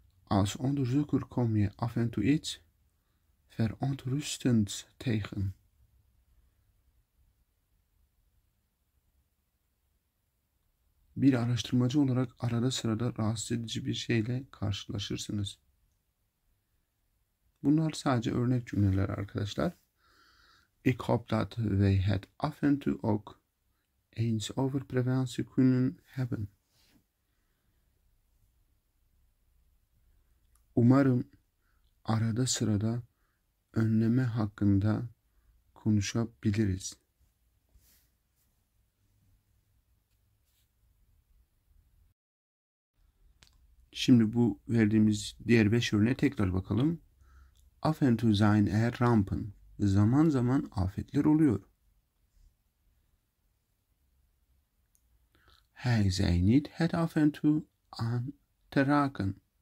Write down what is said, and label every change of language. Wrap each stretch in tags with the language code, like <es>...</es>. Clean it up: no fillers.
<nl>Als Untersucher kom je af en toe iets verontrustends tegen.</nl> <tr>Bir araştırmacı olarak arada sırada rahatsız edici bir şeyle karşılaşırsınız. Bunlar sadece örnek cümleler arkadaşlar.</tr> <nl>Ik hoop dat wij het af en toe ook eens over preventie kunnen hebben.</nl> <tr>Umarım arada sırada önleme hakkında konuşabiliriz. Şimdi bu verdiğimiz diğer 5 örneğe tekrar bakalım.</tr> <nl>Af en toe zijn er rampen.</nl> <tr>Zaman zaman afetler oluyor.</tr> <nl>Hij zei niet het af en toe aan te raken.</nl>